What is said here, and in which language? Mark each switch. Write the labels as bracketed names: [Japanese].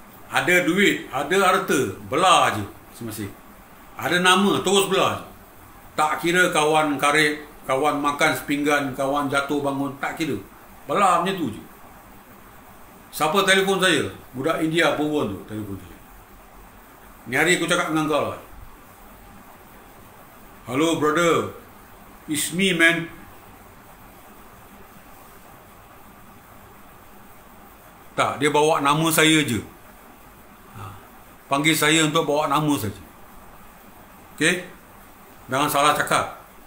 [Malay] Ada duit, ada harta, belah je semasih. Ada nama, terus belah je. Tak kira kawan karib, kawan makan sepinggan, kawan jatuh bangun, tak kira. Belah macam tu je. Siapa telefon saya? Budak India perempuan tu telefon saya. Ni hari aku cakap dengan kau lah. [English] "Hello brother, it's me, man. [Malay] Tak, dia bawa nama saya je. Panggil saya untuk bawa nama saja. Okey? Jangan salah cakap.